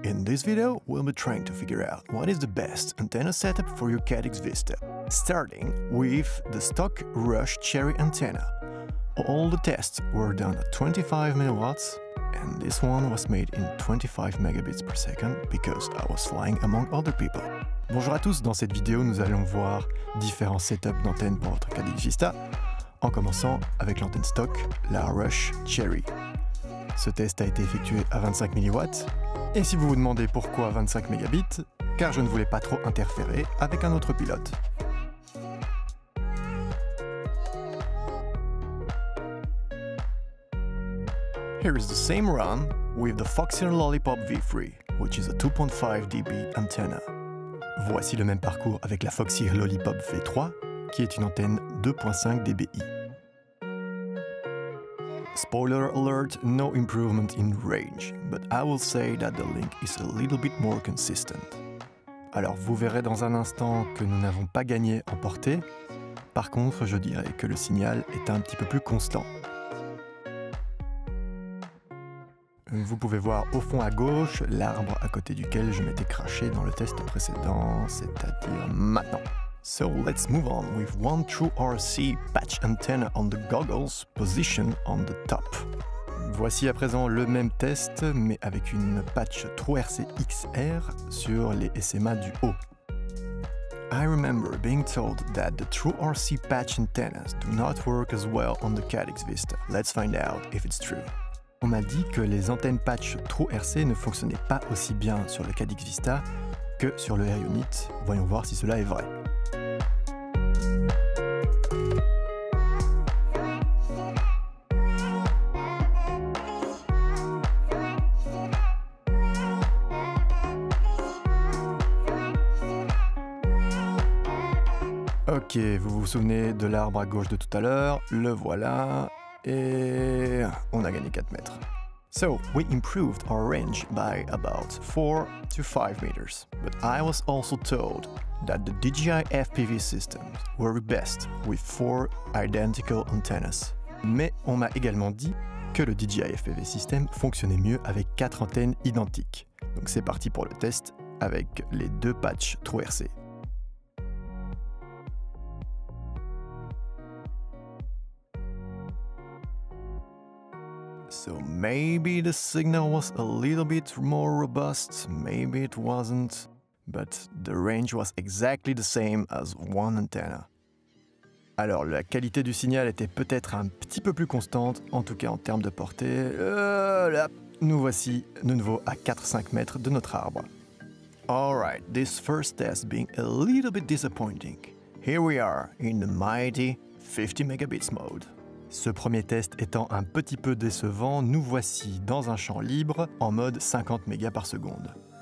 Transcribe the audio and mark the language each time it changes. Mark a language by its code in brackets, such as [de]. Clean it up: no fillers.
[en] In this video, we'll be trying to figure out what is the best antenna setup for your Caddx Vista, starting with the stock Rush Cheery antenna. All the tests were done at 25 milliwatts, and this one was made in 25 megabits per second because I was flying among other people. [fr] Bonjour à tous, dans cette vidéo, nous allons voir différents setups d'antennes pour votre Caddx Vista, en commençant avec l'antenne stock, la Rush Cheery. Ce test a été effectué à 25 milliwatts. Et si vous vous demandez pourquoi 25 mégabits, car je ne voulais pas trop interférer avec un autre pilote. [en] Here is the same run with the Foxeer Lollipop V3, which is a 2.5 dB antenna. [fr] Voici le même parcours avec la Foxeer Lollipop V3, qui est une antenne 2.5 dBi. [en] Spoiler alert, no improvement in range, but I will say that the link is a little bit more consistent. [fr] Alors vous verrez dans un instant que nous n'avons pas gagné en portée, par contre je dirais que le signal est un petit peu plus constant. Vous pouvez voir au fond à gauche l'arbre à côté duquel je m'étais crashé dans le test précédent, c'est-à-dire maintenant. [en] So let's move on with one TrueRC patch antenna on the goggles, position on the top. [fr] Voici à présent le même test, mais avec une patch TrueRC X-Air sur les SMA du haut. [en] I remember being told that the TrueRC patch antennas do not work as well on the Caddx Vista. Let's find out if it's true. [fr] On m'a dit que les antennes patch TrueRC ne fonctionnaient pas aussi bien sur le Caddx Vista que sur le Air Unit. Voyons voir si cela est vrai. Ok, vous vous souvenez de l'arbre à gauche de tout à l'heure, le voilà, et on a gagné 4 mètres. [en] So, we improved our range by about 4 to 5 meters. But I was also told that the DJI FPV systems work best with 4 identical antennas. [fr] Mais on m'a également dit que le DJI FPV system fonctionnait mieux avec 4 antennes identiques. Donc c'est parti pour le test avec les deux patchs TrueRC. [en] So maybe the signal was a little bit more robust, maybe it wasn't, but the range was exactly the same as one antenna. [fr] Alors la qualité du signal était peut-être un petit peu plus constante, en tout cas en termes de portée. Là, nous voici de nouveau à 4-5 mètres de notre arbre. [en] Alright, this first test being a little bit disappointing. Here we are in the mighty 50 megabits mode. [fr] Ce premier test étant un petit peu décevant, nous voici dans un champ libre en mode 50 mégas par seconde.